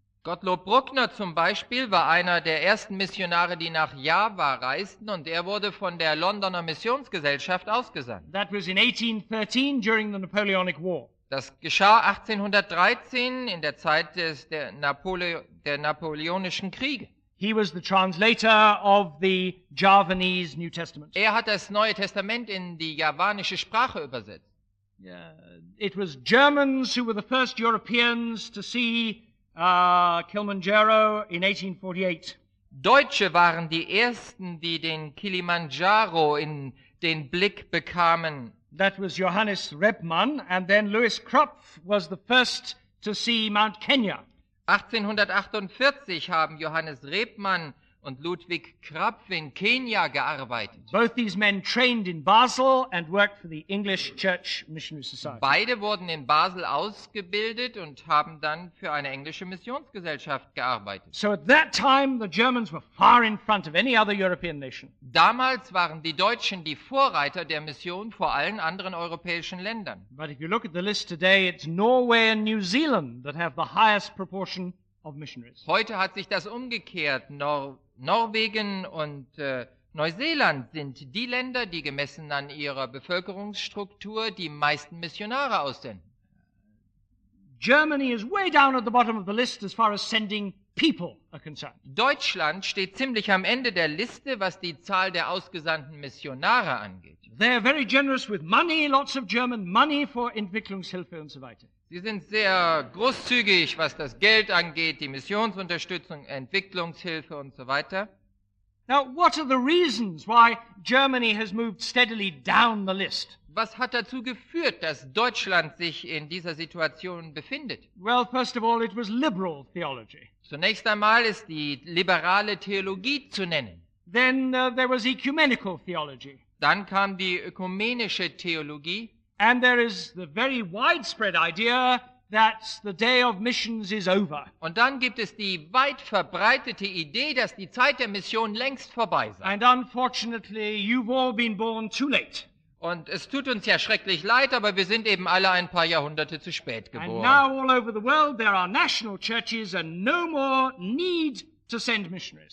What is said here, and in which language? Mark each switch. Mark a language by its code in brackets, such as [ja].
[de] Gottlob Brückner zum Beispiel war einer der ersten Missionare, die nach Java reisten, und er wurde von der Londoner Missionsgesellschaft ausgesandt. [en] That was in 1813 during the Napoleonic War. [de] Das geschah 1813 in der Zeit des der Napoleonischen Kriege. [en] He was the translator of the Javanese New Testament. [de] Er hat das Neue Testament in die javanische Sprache übersetzt. [en] It was Germans who were the first Europeans to see Kilimanjaro in 1848. [de] Deutsche waren die ersten, die den Kilimanjaro in den Blick bekamen. [en] That was Johannes Rebmann, and then Louis Krupf was the first to see Mount Kenya. [de] 1848 haben Johannes Rebmann und Ludwig Krapf in Kenia gearbeitet. [en] Both these men trained in Basel and worked for the English Church Missionary Society. [de] Beide wurden in Basel ausgebildet und haben dann für eine englische Missionsgesellschaft gearbeitet. [en] So at that time the Germans were far in front of any other European nation. [de] Damals waren die Deutschen die Vorreiter der Mission vor allen anderen europäischen Ländern. [en] But if you look at the list today, it's Norway and New Zealand that have the highest proportion of missionaries. [de] Heute hat sich das umgekehrt. Norwegen und Neuseeland sind die Länder, die gemessen an ihrer Bevölkerungsstruktur die meisten Missionare aussenden. [en] Germany is way down at the bottom of the list as far as sending people are concerned. [de] Deutschland steht ziemlich am Ende der Liste, was die Zahl der ausgesandten Missionare angeht. [en] They are very generous with money, lots of German money for [de] Entwicklungshilfe und so weiter. Sie sind sehr großzügig, was das Geld angeht, die Missionsunterstützung, Entwicklungshilfe und so weiter. [en] Now, what are the reasons why Germany has moved steadily down the list? [de] Was hat dazu geführt, dass Deutschland sich in dieser Situation befindet? [en] Well, first of all, it was liberal theology. [de] Zunächst einmal ist die liberale Theologie zu nennen. [en] Then there was ecumenical theology. [de] Dann kam die ökumenische Theologie. [en] And there is the very widespread idea that the day of missions is over. [de] Und dann gibt es die weit verbreitete Idee, dass die Zeit der Mission längst vorbei sei. [en] And unfortunately, you've all been born too late. [de] Und es tut uns ja schrecklich leid, aber wir sind eben alle ein paar Jahrhunderte zu spät geboren. [en] And now all over the world there are national churches and no more need to send missionaries.